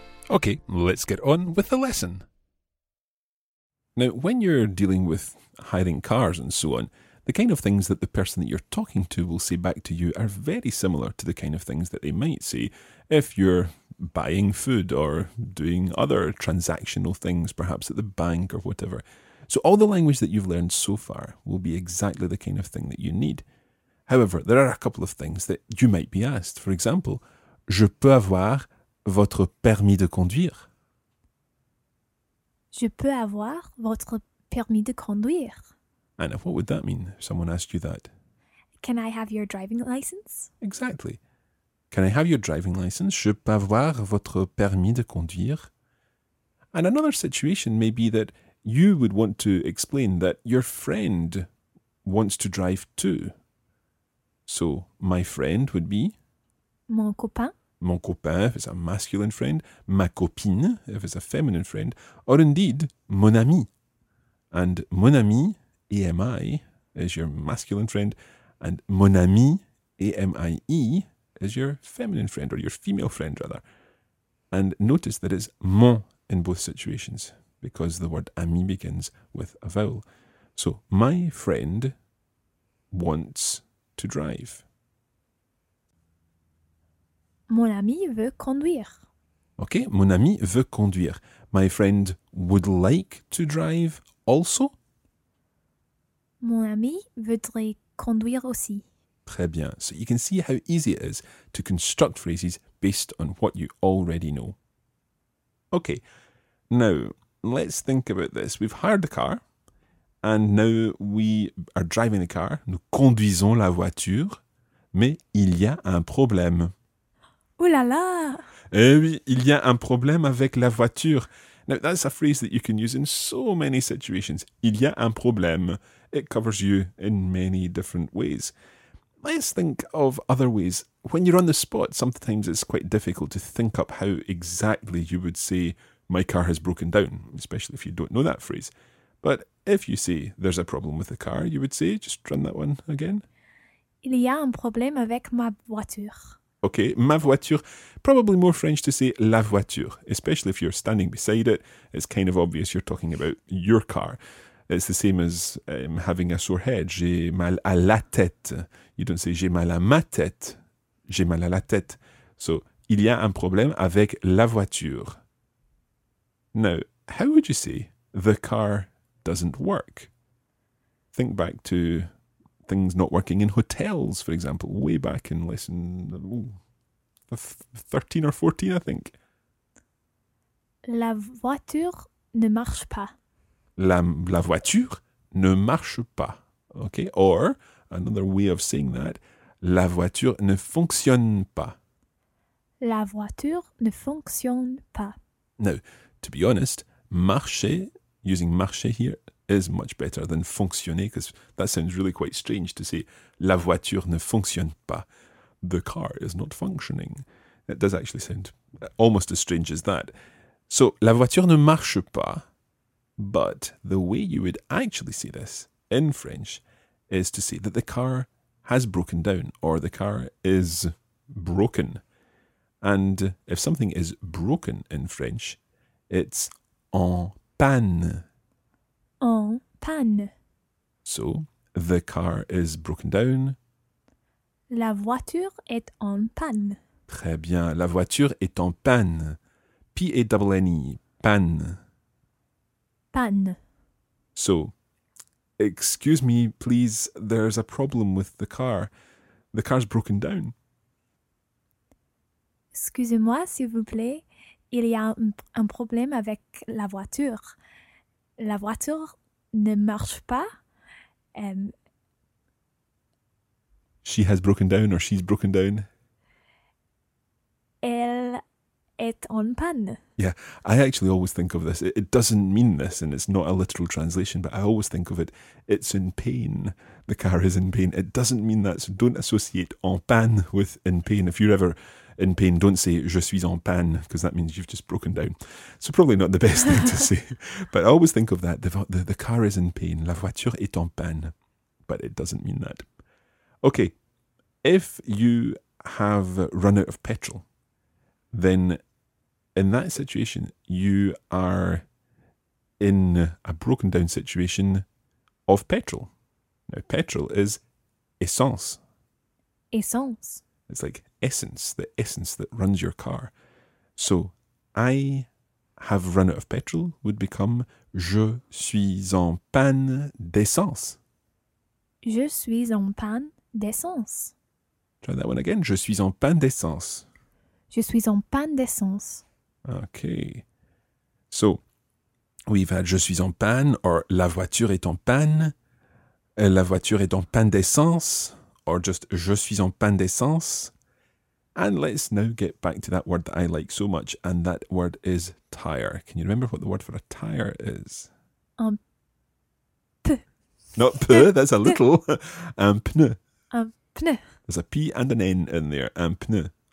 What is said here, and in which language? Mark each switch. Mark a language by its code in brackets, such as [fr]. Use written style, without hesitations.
[en] Okay, let's get on with the lesson. Now, when you're dealing with hiring cars and so on, the kind of things that the person that you're talking to will say back to you are very similar to the kind of things that they might say if you're buying food or doing other transactional things, perhaps at the bank or whatever. So all the language that you've learned so far will be exactly the kind of thing that you need. However, there are a couple of things that you might be asked. For example, [fr] je peux avoir votre permis de conduire. Je peux avoir votre permis de conduire. [en] Anna, what would that mean if someone asked you that? Can I have your driving license? Exactly. Can I have your driving license? [fr] Je peux avoir votre permis de conduire. [en] And another situation may be that you would want to explain that your friend wants to drive too. So, my friend would be? [fr] Mon copain. mon copain, [en] if it's a masculine friend, [fr] ma copine, [en] if it's a feminine friend, or indeed, [fr] mon ami. [en] And [fr] mon ami, [en] A-M-I, is your masculine friend, and mon ami, A-M-I-E, is your feminine friend, or your female friend, rather. And notice that it's mon in both situations, because the word ami begins with a vowel. So, my friend wants to drive. [fr] Mon ami veut conduire. [en] Okay, [fr] mon ami veut conduire. [en] My friend would like to drive also. [fr] Mon ami voudrait conduire aussi. Très bien. [en] So you can see how easy it is to construct phrases based on what you already know. Okay, now let's think about this. We've hired the car and now we are driving the car. [fr] Nous conduisons la voiture, mais il y a un problème. Oh là là! Eh oui, il y a un problème avec la voiture. [en] Now, that's a phrase that you can use in so many situations. [fr] Il y a un problème. [en] It covers you in many different ways. Let's think of other ways. When you're on the spot, sometimes it's quite difficult to think up how exactly you would say, my car has broken down, especially if you don't know that phrase. But if you say, there's a problem with the car, you would say, just run that one again. [fr] Il y a un problème avec ma voiture. [en] Okay, [fr] ma voiture, [en] probably more French to say [fr] la voiture, [en] especially if you're standing beside it. It's kind of obvious you're talking about your car. It's the same as having a sore head. [fr] J'ai mal à la tête. [en] You don't say [fr] j'ai mal à ma tête. J'ai mal à la tête. [en] So, [fr] il y a un problème avec la voiture. [en] Now, how would you say the car doesn't work? Think back to things not working in hotels, for example, way back in lesson 13 or 14, I think. [fr] La voiture ne marche pas. La voiture ne marche pas. [en] Okay, or another way of saying that, [fr] la voiture ne fonctionne pas. La voiture ne fonctionne pas. [en] Now, to be honest, marcher, using marcher here, is much better than fonctionner, because that sounds really quite strange to say [fr] la voiture ne fonctionne pas. [en] The car is not functioning. It does actually sound almost as strange as that. So, [fr] la voiture ne marche pas, [en] but the way you would actually say this in French is to say that the car has broken down, or the car is broken. And if something is broken in French, it's en panne. [fr] En panne. [en] So, the car is broken down. [fr] La voiture est en panne. Très bien, la voiture est en panne. P-A-N-N-E, panne. Panne. [en] So, excuse me, please, there's a problem with the car. The car's broken down. [fr] Excusez-moi, s'il vous plaît, il y a un problème avec la voiture. La voiture ne marche pas. [en] She has broken down or she's broken down. [fr] Elle est en panne. [en] Yeah, I actually always think of this. It doesn't mean this and it's not a literal translation, but I always think of it. It's in pain. The car is in pain. It doesn't mean that, so don't associate en panne with in pain. If you're ever in pain, don't say [fr] je suis en panne, [en] because that means you've just broken down. So probably not the best thing to say. But I always think of that. The car is in pain. [fr] La voiture est en panne. [en] But it doesn't mean that. Okay, if you have run out of petrol, then in that situation, you are in a broken down situation of petrol. Now, petrol is essence. [fr] Essence. [en] It's like essence that runs your car. So, I have run out of petrol would become [fr] je suis en panne d'essence. Je suis en panne d'essence. [en] Try that one again. [fr] Je suis en panne d'essence. Je suis en panne d'essence. [en] Okay. So, we've had [fr] je suis en panne, [en] or [fr] la voiture est en panne. La voiture est en panne d'essence, or just je suis en panne d'essence. [en] And let's now get back to that word that I like so much, and that word is tire. Can you remember what the word for a tire is? [fr] Un pneu. [en] Not pneu, that's a little. [fr] Un pneu. Un pneu. [en] There's a P and an N in there. [fr] Un pneu.